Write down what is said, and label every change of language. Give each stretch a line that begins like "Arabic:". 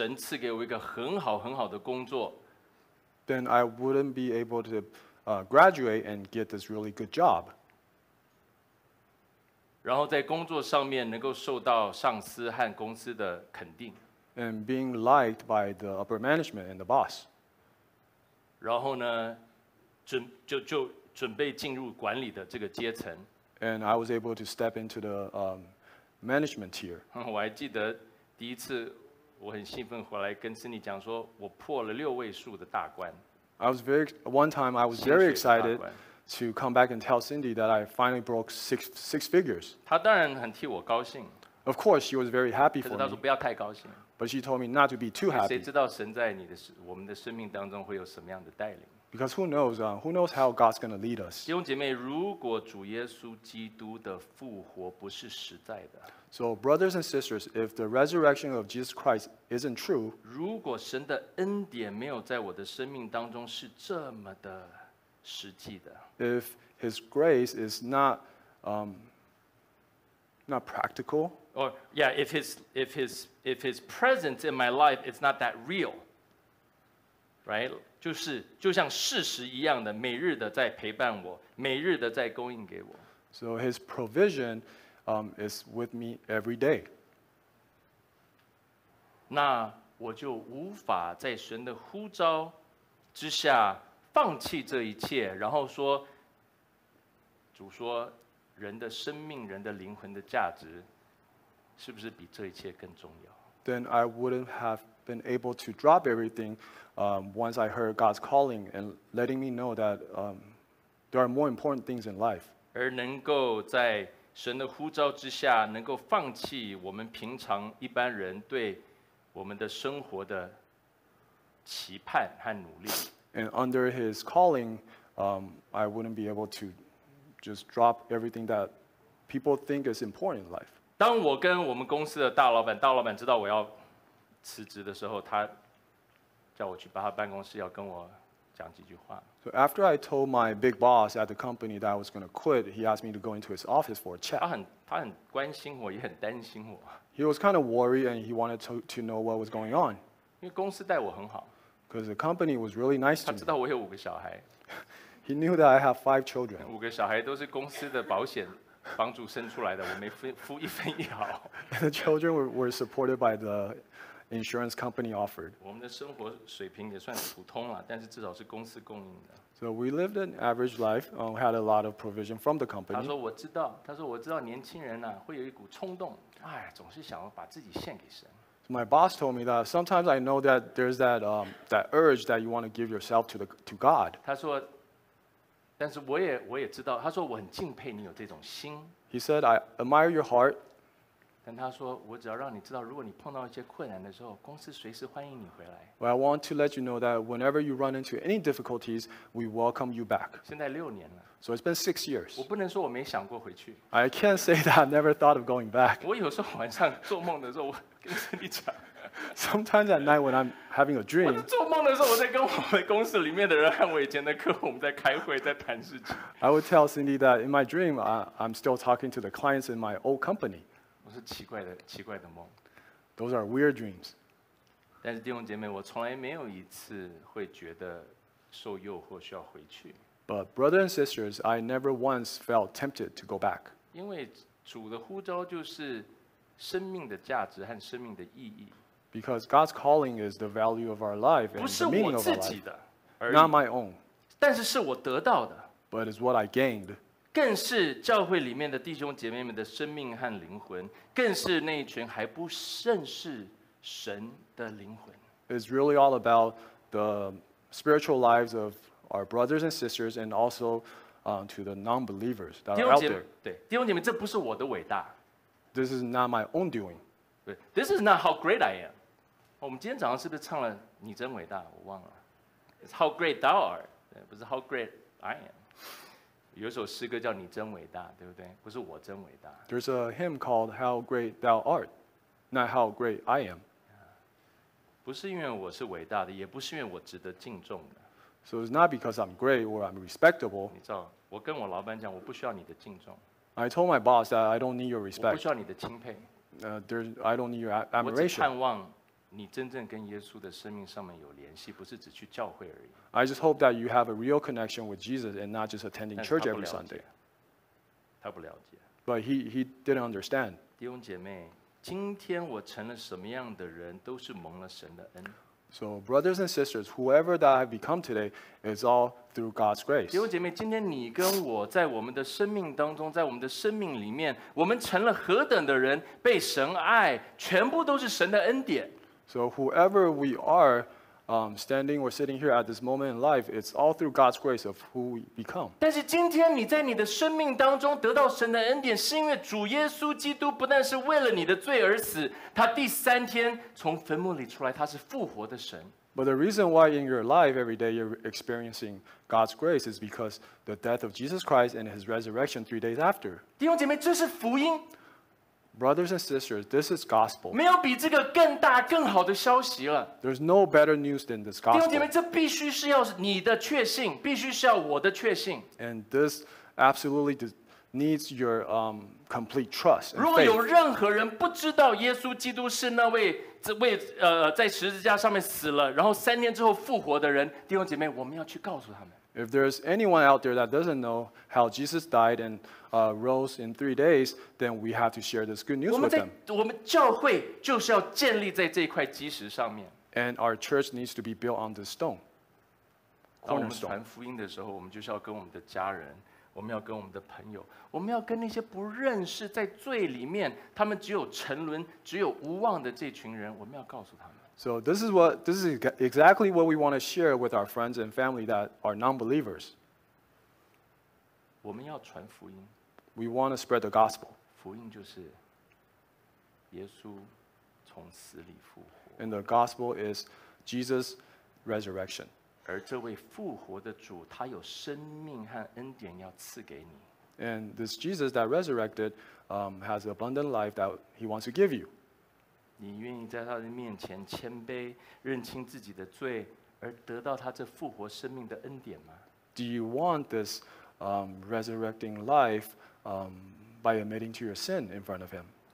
Chinese: 我也不可能在这个学习经历过程这么坎坷，最后终于毕业，但是却找到，却神赐给我一个很好很好的工作。
English: Then I wouldn't be able to graduate and get this really good job.
Chinese: 然后在工作上面能够受到上司和公司的肯定。
English: And being liked by the upper management and the boss.
Chinese: 然后呢，就准备进入管理的这个阶层。
English: And I was able to step into the management tier.
Chinese: 我还记得第一次我很兴奋回来跟Cindy讲说，我破了6位数的大关。
English: One time I was very excited to come back and tell Cindy that I finally broke six figures.
Chinese: 他当然很替我高兴。
English: Of course, she was very happy for me.
Chinese: 可是她说不要太高兴。
English: But she told me not to be too happy.
Chinese: 谁知道神在你的我们的生命当中会有什么样的带领？
English: Because who knows how God's going to lead us?
Chinese: 弟兄姐妹，如果主耶稣基督的复活不是实在的，
English: So brothers and sisters, if the resurrection of Jesus Christ isn't true,
Chinese: 如果神的恩典没有在我的生命当中是这么的实际的，
English: If his grace is not practical, or yeah, if his presence in my life is not that real, right?
Chinese: 就是就像事实一样的，每日的在陪伴我，每日的在供应给我。
English: So his provision, is with me every day.
Chinese: 那我就无法在神的呼召之下放弃这一切，然后说，主说，人的生命、人的灵魂的价值，是不是比这一切更重要？
English: Then I wouldn't have been able to drop everything, once I heard God's calling and letting me know that, there are more important things in life.
Chinese: 而能够在神的呼召之下，能够放弃我们平常一般人对我们的生活的期盼和努力。
English: And under His calling, I wouldn't be able to just drop everything that people think is important in life.
Chinese: 当我跟我们公司的大老板知道我要辞职的时候，他叫我去他办公室要跟我讲几句话。
English: So after I told my big boss at the company that I was going to quit, he asked me to go into his office for a chat.
Chinese: 他很关心我，也很担心我。
English: He was kind of worried and he wanted to know what was going on.
Chinese: 因为公司待我很好。
English: Because the company was really nice to me.
Chinese: 他知道我有五个小孩。
English: He knew that I have five children.
Chinese: 五个小孩都是公司的保险。帮助生出来的，我没付一分一毫。
English: The children were supported by the insurance company offered.
Chinese: 我们的生活水平也算普通了，但是至少是公司供应的。
English: So we lived an average life. Had a lot of provision from the company.
Chinese: 他说我知道年轻人啊会有一股冲动，哎，总是想要把自己献给神。
English: So my boss told me that sometimes I know that there's that that urge that you want to give yourself to God.
Chinese: 他说。但是我也知道，他说我很敬佩你有这种心。
English: He said I admire your heart.
Chinese: 但他说我只要让你知道，如果你碰到一些困难的时候，公司随时欢迎你回来。
English: Well, I want to let you know that whenever you run into any difficulties, we welcome you back.
Chinese: 现在六年了。
English: So it's been 6 years.
Chinese: 我不能说我没想过回去。
English: I can't say that I never thought of going back.
Chinese: 我有时候晚上做梦的时候，我跟神里讲。
English: Sometimes at night when I'm having a dream,
Chinese: 我做梦的时候，我在跟我们公司里面的人和我以前的客户，我们在开会，在谈事情。
English: I would tell Cindy that in my dream, I'm still talking to the clients in my old company.
Chinese: 我是奇怪的梦。
English: Those are weird dreams.
Chinese: 但是弟兄姐妹，我从来没有一次会觉得受诱惑需要回去。
English: But brothers and sisters, I never once felt tempted to go back.
Chinese: 因为主的呼召就是生命的价值和生命的意义。
English: Because God's calling is the value of our life and the meaning of our life. Not my own.
Chinese: 但是是我得到的。
English: But it's what I gained.
Chinese: 更是教会里面的弟兄姐妹们的生命和灵魂，更是那一群还不认识神的灵魂。
English: It's really all about the spiritual lives of our brothers and sisters and also to the non-believers that are out there.
Chinese: 对，弟兄姐妹，这不是我的伟大。
English: This is not my own doing. This is not how great I am.
Chinese: 我们今天早上是不是唱了你真伟大？我忘了。
English: It's how great thou art,
Chinese: 不是
English: how great I am.
Chinese: 有首诗歌叫你真伟大，对不对？不是我真伟大。
English: There's a hymn called How Great Thou Art, not How Great I Am.
Chinese: 不是因为我是伟大的，也不是因为我值得敬重的。
English: So it's not because I'm great or I'm respectable.
Chinese: 你知道，我跟我老板讲，我不需要你的敬重。
English: I told my boss that I don't need your respect.
Chinese: 我不需要你的钦佩。
English: I don't need your admiration.
Chinese: 我只盼望你真正跟耶稣的生命上面有联系，不是只去教会而已。
English: I just hope that you have a real connection with Jesus and not just attending church every Sunday.
Chinese: 他不了解。
English: But he didn't understand.
Chinese: 弟兄姐妹，今天我成了什么样的人，都是蒙了神的恩。
English: So brothers and sisters, whoever that I've become today is all through God's grace.
Chinese: 弟兄姐妹，今天你跟我在我们的生命当中，在我们的生命里面，我们成了何等的人，被神爱，全部都是神的恩典。
English: So whoever we are, standing or sitting here at this moment in life, it's all through God's grace of who we become.
Chinese: 但是今天你在你的生命当中得到神的恩典，是因为主耶稣基督不但是为了你的罪而死，他第三天从坟墓里出来，他是复活的神。
English: But the reason why in your life every day you're experiencing God's grace is because the death of Jesus Christ and his resurrection 3 days after.
Chinese: 弟兄姐妹，这是福音。
English: Brothers and sisters, this is gospel.
Chinese: 没有比这个更大更好的消息了。
English: There's no better news than this gospel.
Chinese: 弟兄姐妹，这必须是要你的确信，必须是要我的确信。
English: And this absolutely needs your complete trust.
Chinese: 如果有任何人不知道耶稣基督是那位在十字架上面死了，然后三天之后复活的人，弟兄姐妹，我们要去告诉他们。
English: If there's anyone out there that doesn't know how Jesus died and rose in 3 days, then we have to share this good news with them.
Chinese: 我们教会就是要建立在这块基石上面。
English: And our church needs to be built on this stone.
Chinese: 当我们传福音的时候，我们就是要跟我们的家人，我们要跟我们的朋友，我们要跟那些不认识在罪里面，他们只有沉沦、只有无望的这群人，我们要告诉他们。
English: So this is exactly what we want to share with our friends and family that are non-believers.
Chinese: 我们要传福音。
English: We want to spread the gospel.
Chinese: 福音就是耶稣从死里复活。
English: And the gospel is Jesus' resurrection.
Chinese: 而这位复活的主，他有生命和恩典要赐给你。
English: And this Jesus that resurrected has abundant life that he wants to give you.
Chinese: 你愿意在他的面前谦卑，认清自己的罪，而得到他这复活生命的恩典吗？
English: Do you want this resurrecting life by admitting to your sin in front of him?